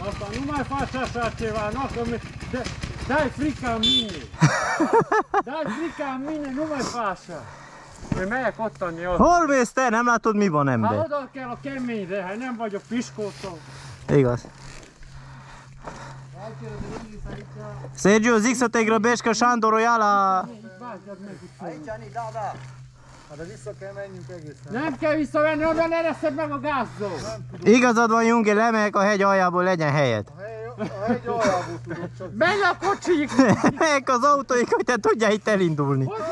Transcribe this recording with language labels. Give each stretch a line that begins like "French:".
Hungarian: Mi megyek ott annyi ott. Hol mész te? Nem látod mi van ember? Hát oda kell a keményre, hát nem vagyok piskótól. Igaz.
Romanian: Sergio, zic să te grăbești că Sandor o ia la...
Hungarian: Nem kell visszavenni, oda leresszed meg a gázzó! Igazad van, Jungi, lemegyek a hegy aljából, legyen helyed. A hegy aljából tudod csak. Menj a kocsik! Megyek az autóik, hogy te tudjál itt elindulni.